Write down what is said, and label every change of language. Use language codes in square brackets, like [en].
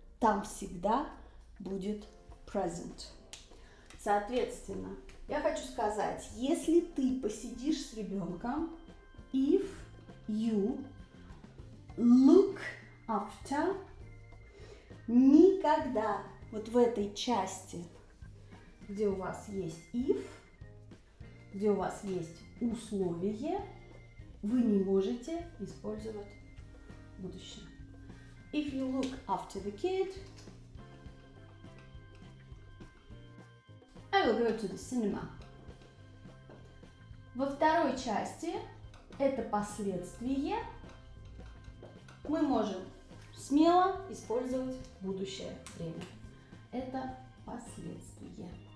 [ru] Там всегда будет present. Соответственно, я хочу сказать, если ты посидишь с ребенком, [en] if you look after, [ru] никогда вот в этой части, где у вас есть if, где у вас есть условие, вы не можете использовать будущее. [en] If you look after the kid, I will go to the cinema. [ru] Во второй части это последствие. Мы можем смело использовать будущее время. Это последствия.